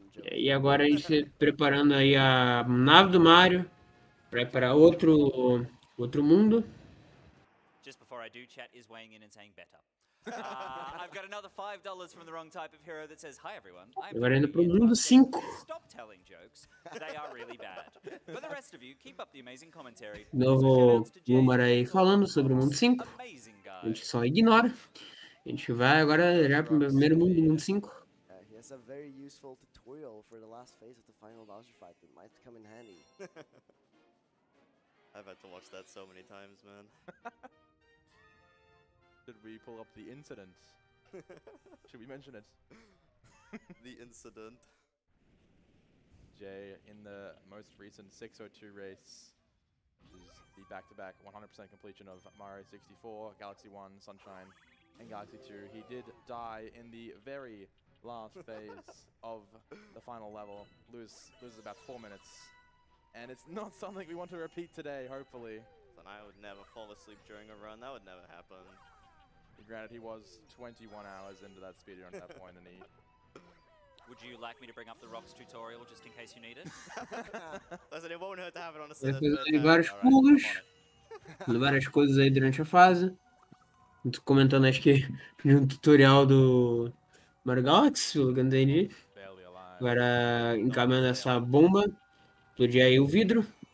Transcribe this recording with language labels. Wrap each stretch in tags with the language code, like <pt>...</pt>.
<pt>E agora a gente preparando aí a nave do Mario para outro mundo.</pt> <en>Just before I do, chat is weighing in and saying better. I've got another $5 from the wrong type of hero that says hi everyone.</en> <pt>Agora indo pro mundo 5.</pt> <en>Stop telling jokes. They are really bad. For the rest of you, keep up the amazing commentary.</en> <pt>Novo Boomer aí falando sobre o mundo 5. A gente só ignora. A gente vai agora já pro primeiro mundo 5.</pt> <en>A very useful tutorial for the last phase of the final Bowser fight that might come in handy. I've had to watch that so many times, man. Did we pull up the incident? Should we mention it? The incident. Jay, in the most recent 602 race, is the back-to-back 100% completion of Mario 64, Galaxy 1, Sunshine, and Galaxy 2. He did die in the very last phase of the final level, loses about 4 minutes, and it's not something we want to repeat today, hopefully. And I would never fall asleep during a run, that would never happen. Granted, he was 21 hours into that speedrun at that point, and he... Would you like me to bring up the rocks tutorial, just in case you need it? Listen, it won't hurt to have it on a</en> <pt>vários pulos, várias coisas aí durante a fase. Tô comentando, acho que, um tutorial do... Mario Galaxy, o Gandendi. Agora encaminhando essa bomba, explodir aí o vidro.</pt>